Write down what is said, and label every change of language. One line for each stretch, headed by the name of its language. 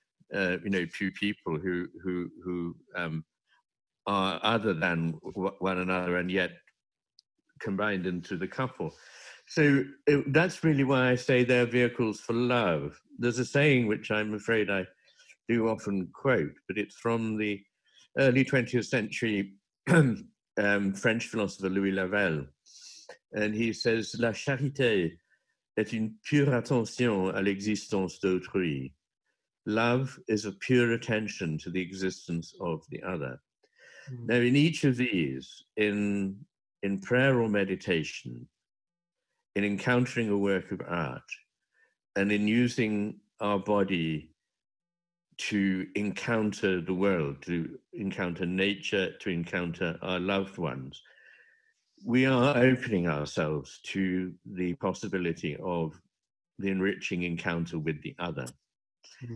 English: There are, you know, few people who are other than one another and yet combined into the couple. So that's really why I say they're vehicles for love. There's a saying which I'm afraid I do often quote, but it's from the early 20th century French philosopher Louis Lavel. And he says,
French: la charité est une pure attention à l'existence d'autrui.
English: Love is a pure attention to the existence of the other. Mm. Now, in each of these, in prayer or meditation, in encountering a work of art, and in using our body to encounter the world, to encounter nature, to encounter our loved ones, we are opening ourselves to the possibility of the enriching encounter with the other. Mm-hmm.